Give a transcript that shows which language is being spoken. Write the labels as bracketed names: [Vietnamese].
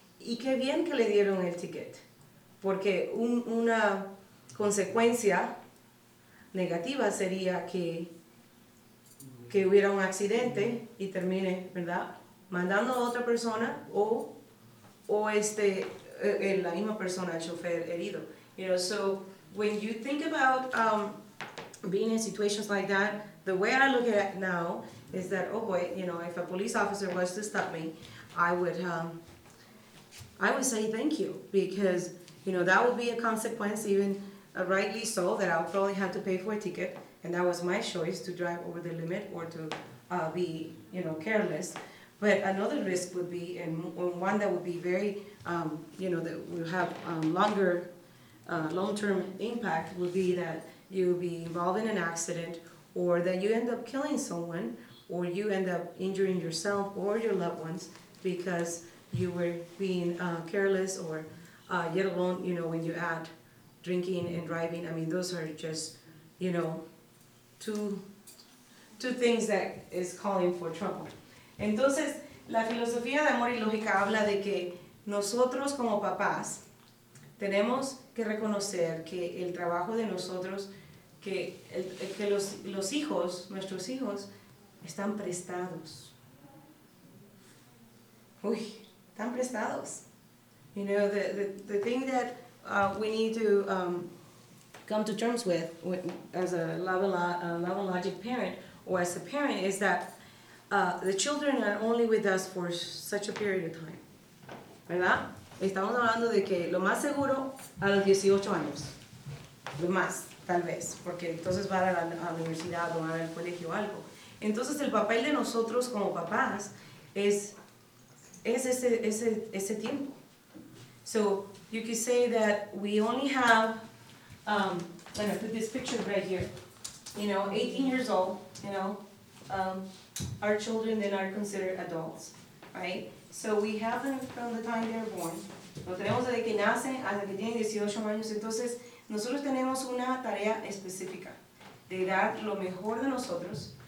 [Spanish] Y qué bien que le dieron el ticket, porque una consecuencia negativa sería que hubiera un accidente y termine, ¿verdad?, mandando a otra persona o la misma persona, el chofer, herido. [English] You know, so when you think about being in situations like that, the way I look at it now is that, oh boy, you know, if a police officer was to stop me, I would say thank you, because, you know, that would be a consequence, even rightly so, that I would probably have to pay for a ticket, and that was my choice to drive over the limit or to be, you know, careless. But another risk would be, and one that would be very, you know, that will have longer, long-term impact, would be that you be involved in an accident, or that you end up killing someone, or you end up injuring yourself or your loved ones because you were being careless, or yet alone, you know, when you add drinking and driving. I mean, those are just, you know, two things that is calling for trouble. [Spanish] Entonces, la filosofía de amor y lógica habla de que nosotros como papás tenemos que reconocer que el trabajo de nosotros, que los hijos, nuestros hijos, están prestados. Uy, están prestados. [English] You know, the thing that we need to come to terms with as a level-logic parent or as a parent is that the children are only with us for such a period of time. [Spanish] ¿Verdad? Estamos hablando de que lo más seguro a los 18 años. Lo más, tal vez. Porque entonces van a la universidad o van al colegio o algo. Entonces el papel de nosotros como papás es ese tiempo. [English] So you could say that we only have, I'm going to put this picture right here. you know, 18 years old, you know, our children then are considered adults, right? So we have them from the time they're born. [Spanish] Lo tenemos desde que nacen hasta que tienen 18 años. Entonces, nosotros tenemos una tarea específica de dar lo mejor de nosotros.